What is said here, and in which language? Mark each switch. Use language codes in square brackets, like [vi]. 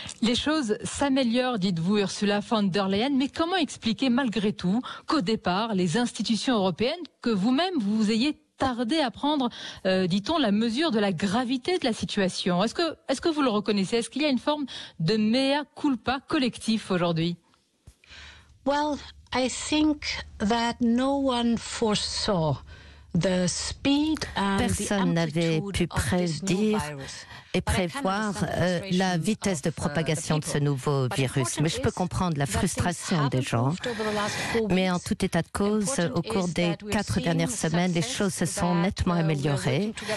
[fr] Les choses s'améliorent, dites-vous, Ursula von der Leyen, mais comment expliquer malgré tout qu'au départ, les institutions européennes, que vous-même vous ayez tardé à prendre, dit-on, la mesure de la gravité de la situation? Est-ce que vous le reconnaissez? Est-ce qu'il y a une forme de mea culpa collectif aujourd'hui? [en] I think that no one foresaw the speed and [fr] personne [en] the [fr] n'avait pu prédire et prévoir la vitesse de propagation de ce nouveau virus. Mais je peux comprendre la frustration des gens. Mais en tout état de cause, au cours des 4 dernières semaines, les choses se sont nettement améliorées.